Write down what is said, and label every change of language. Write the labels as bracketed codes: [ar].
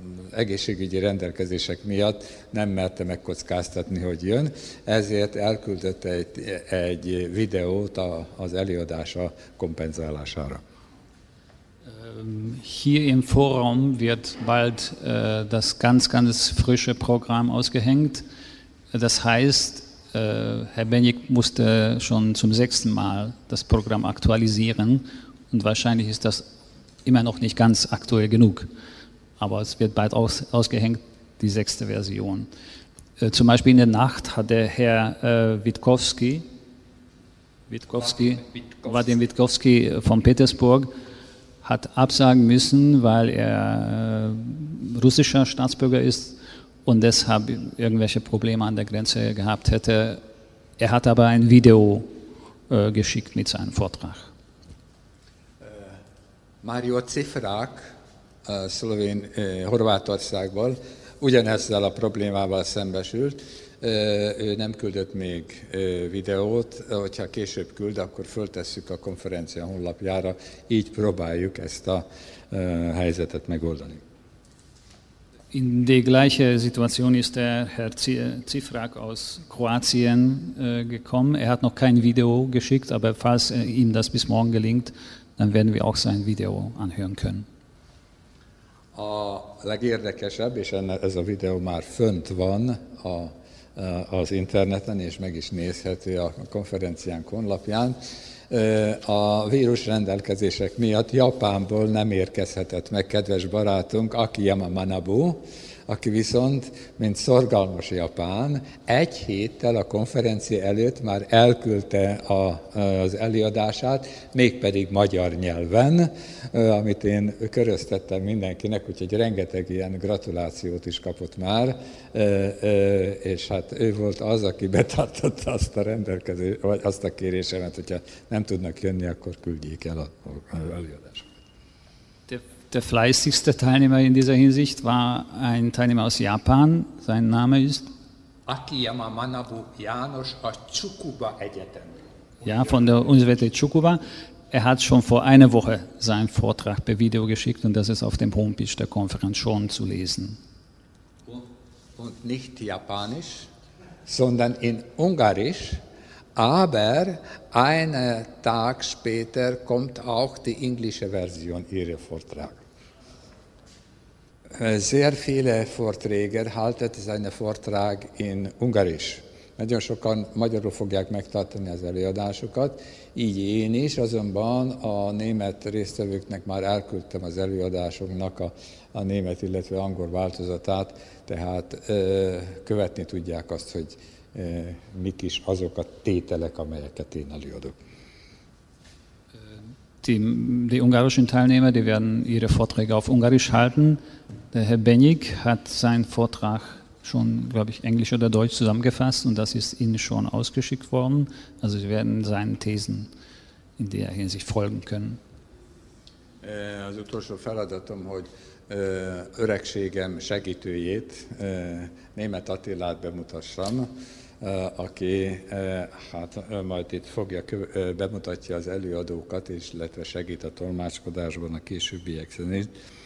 [hu] egészségügyi rendelkezések miatt nem merte megkockáztatni, hogy jön, ezért elküldött egy videót az előadása kompenzálására. [de] Hier im Forum wird bald das ganz, ganz frische Programm ausgehängt. Das heißt, Herr Benyik musste schon zum 6. Mal das Programm aktualisieren und wahrscheinlich ist das immer noch nicht ganz aktuell genug. Aber es wird bald ausgehängt, die 6. Version. Zum Beispiel in der Nacht hat der Herr Vadim Vitkovszky von Petersburg, hat absagen müssen, weil er russischer Staatsbürger ist und deshalb irgendwelche Probleme an der Grenze gehabt hätte. Er hat aber ein Video geschickt mit seinem Vortrag. [hu] Mario Cifrák, szlovén Horvátországból, ugyanezzel a problémával szembesült. Ő nem küldött még videót, hogyha később küld, akkor föltesszük a konferencia honlapjára, így próbáljuk ezt a helyzetet megoldani. [de] In die gleiche Situation ist der Herr Cifrák aus Kroatien gekommen. Er hat noch kein Video geschickt, aber falls ihm das bis morgen gelingt, dann werden wir auch sein Video anhören können. [hu] A legérdekesebb, és ez a videó már fönt van az interneten, és meg is nézhető a konferenciánk honlapján. A vírus rendelkezések miatt Japánból nem érkezhetett meg kedves barátunk Akiyama Manabu, aki viszont, mint szorgalmas japán, 1 héttel a konferencia előtt már elküldte az előadását, mégpedig magyar nyelven, amit én köröztettem mindenkinek, úgyhogy rengeteg ilyen gratulációt is kapott már, és hát ő volt az, aki betartotta azt a rendelkezést, vagy azt a kérésemet, hogyha nem tudnak jönni, akkor küldjék el az előadást. [de] Der fleißigste Teilnehmer in dieser Hinsicht war ein Teilnehmer aus Japan. Sein Name ist [hu] Akiyama Manabu János a Tsukuba Egyetem. [de] Ja, von der Universität Tsukuba. Er hat schon vor einer Woche seinen Vortrag per Video geschickt und das ist auf dem Homepage der Konferenz schon zu lesen. Und nicht japanisch, sondern in Ungarisch, Aber einen Tag später kommt auch die englische Version ihres Vortrags. Sehr viele Vorträge halten seinen Vortrag in Ungarisch. [hu] Nagyon sokan magyarul fogják megtartani az előadásokat, így én is, azonban a német résztvevőknek már elküldtem az előadásoknak a német, illetve angol változatát, tehát követni tudják azt, hogy mik is azok a tételek, amelyeket én előadok. [de] Die ungarischen Teilnehmer, die werden ihre Vorträge auf Ungarisch halten. Der Herr Benyik hat seinen Vortrag schon, glaube ich, Englisch oder Deutsch zusammengefasst und das ist Ihnen schon ausgeschickt worden. Also Sie werden seinen Thesen in der Hinsicht folgen können. [hu] Az utolsó feladatom, hogy öregségem segítőjét, Németh Attilát bemutassam, aki hát majd itt fogja, bemutatja az előadókat, és illetve segít a tolmácskodásban a későbbiek szerint.